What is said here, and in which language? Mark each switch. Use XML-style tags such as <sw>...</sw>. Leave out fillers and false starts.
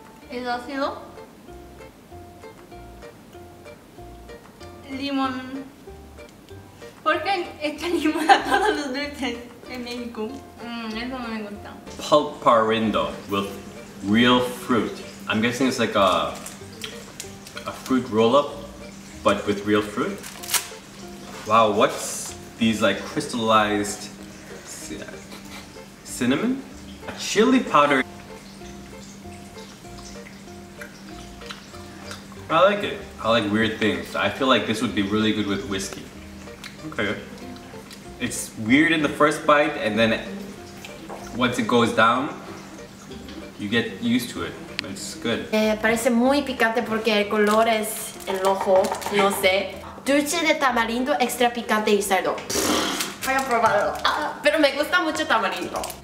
<es>Es ácido. Limón. ¿Por qué echa limón a todos los dulces en México? Eso no me gusta.</es> <en>Pulparindo with real fruit. I'm guessing it's like a fruit roll-up, but with real fruit. Wow, what's these like crystallized cinnamon? Chili powder. I like it. I like weird things. I feel like this would be really good with whiskey. Okay. It's weird in the first bite, and then once it goes down, you get used to it. It's good.</en> <es>Parece muy picante porque el color es el ojo. No sé. Dulce de tamarindo extra picante y cerdo. Voy a probarlo. Pero me gusta mucho tamarindo.</es>